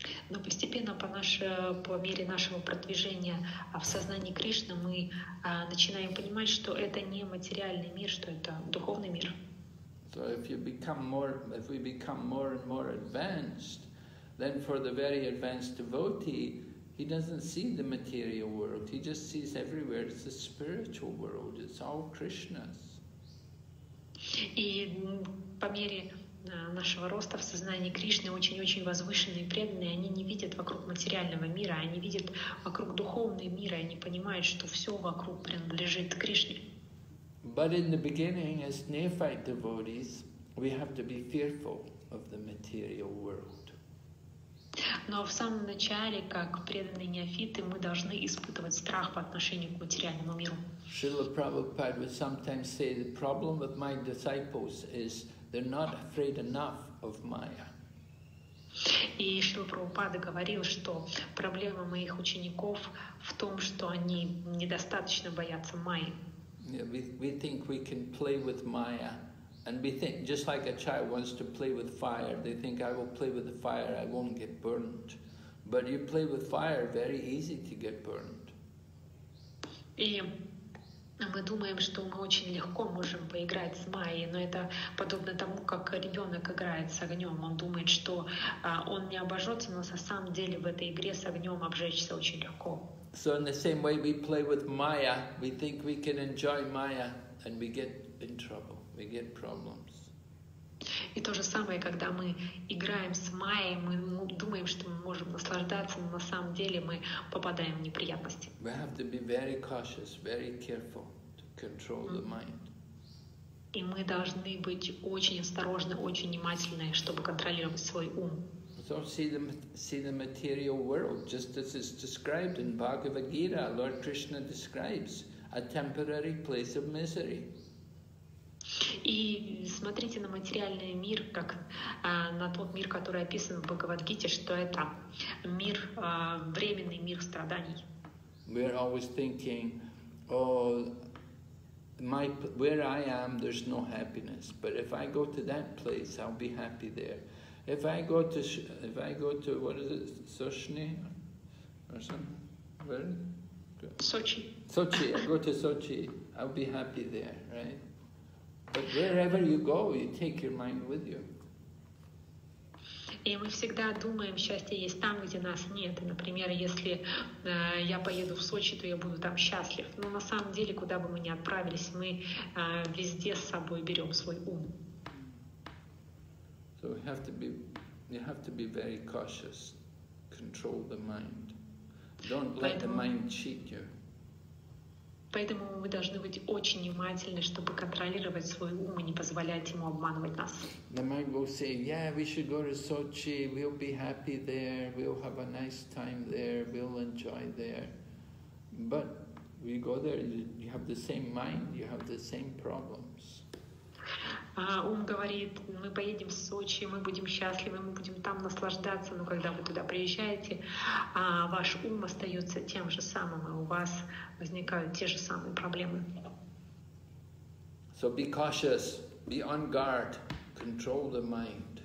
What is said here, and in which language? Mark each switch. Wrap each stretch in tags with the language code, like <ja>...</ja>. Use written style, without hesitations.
<ru>Но постепенно по мере нашего продвижения в сознании Кришны мы начинаем понимать, что это не материальный мир, что это духовный мир.</ru> <en>So if we become more and more advanced, then for the very advanced devotee, He doesn't see the material world. He just sees everywhere it's the spiritual world. It's all Krishna's.</en> <ru>И по мере нашего роста в сознании Кришны очень-очень возвышенные преданные, они не видят вокруг материального мира, они видят вокруг духовного мира, они понимают, что все вокруг принадлежит Кришне.</ru> <en>But in the beginning, as neophyte devotees, we have to be fearful of the material world.</en> <ru>Но в самом начале, как преданные неофиты, мы должны испытывать страх по отношению к материальному миру.</ru> <en>Srila Prabhupada would sometimes say, the problem with my disciples is they're not afraid enough of Maya.</en> <ru>И Шрила Прабхупада говорил, что проблема моих учеников в том, что они недостаточно боятся Майи.</ru> <en>We think we can play with Maya, and we think just like a child wants to play with fire, they think I will play with the fire, I won't get burned. But you play with fire, very easy to get burned.</en> <ru>И мы думаем, что мы очень легко можем поиграть с Майей, но это подобно тому, как ребенок играет с огнем. Он думает, что он не обожжется, но на самом деле в этой игре с огнем обжечься очень легко.</ru> <en>So in the same way we play with Maya, we think we can enjoy Maya, and we get in trouble, we get problems.</en> <ru>И то же самое, когда мы играем с Майей, мы думаем, что мы можем наслаждаться, но на самом деле мы попадаем в неприятности.</ru> <en>We have to be very cautious, very careful to control the mind.</en> <ru>И мы должны быть очень осторожны, очень внимательны, чтобы контролировать свой ум.</ru> <en>So see the material world just as it's described in Bhagavad Gita. Lord Krishna describes a temporary place of misery.</en> <ru>И смотрите на материальный мир как на тот мир, который описан в Бхагавад-гите, что это мир временный мир страданий.</ru> <en>We're always thinking, oh, where I am, there's no happiness. But if I go to that place, I'll be happy there. If I go to what is it, Sochi, or something? Where? Sochi. I go to Sochi. I'll be happy there, right? But wherever you go, you take your mind with you.</en> <ru>И мы всегда думаем, счастье есть там, где нас нет. Например, если я поеду в Сочи, то я буду там счастлив. Но на самом деле, куда бы мы ни отправились, мы везде с собой берем свой ум.</ru> <en>So you have to be very cautious. Control the mind. Don't let the mind cheat you.</en> <ru>Поэтому мы должны быть очень внимательны, чтобы контролировать свой ум и не позволять ему обманывать нас.</ru> <en>The mind will say, yeah, we should go to Sochi, we'll be happy there, we'll have a nice time there, we'll enjoy there. But we go there, you have the same mind, you have the same problems.</en> <ru>Ум говорит, мы поедем в Сочи, мы будем счастливы, мы будем там наслаждаться, но когда вы туда приезжаете, ваш ум остается тем же самым, и у вас возникают те же самые проблемы.</ru> <en>So be cautious, be on guard, control the mind.</en>